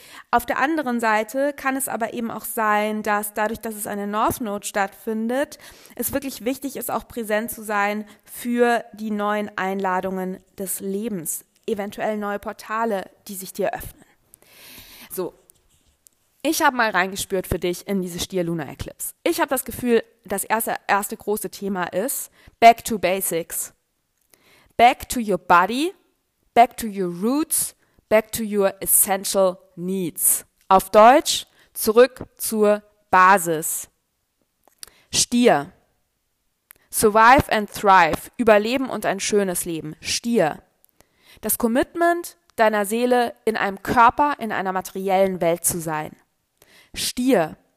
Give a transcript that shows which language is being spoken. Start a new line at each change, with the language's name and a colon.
German: Auf der anderen Seite kann es aber eben auch sein, dass dadurch, dass es eine North Node stattfindet, es wirklich wichtig ist, auch präsent zu sein für die neuen Einladungen des Lebens. Eventuell neue Portale, die sich dir öffnen. So, ich habe mal reingespürt für dich in diese Stier-Luna-Eclipse. Ich habe das Gefühl, das erste große Thema ist
English: Back to Basics. Back to your body, back to your roots, back to your essential needs.
German: Auf Deutsch, zurück zur Basis. Stier.
English: Survive and thrive.
German: Überleben und ein schönes Leben. Stier. Das Commitment deiner Seele in einem Körper, in einer materiellen Welt zu sein. Stier.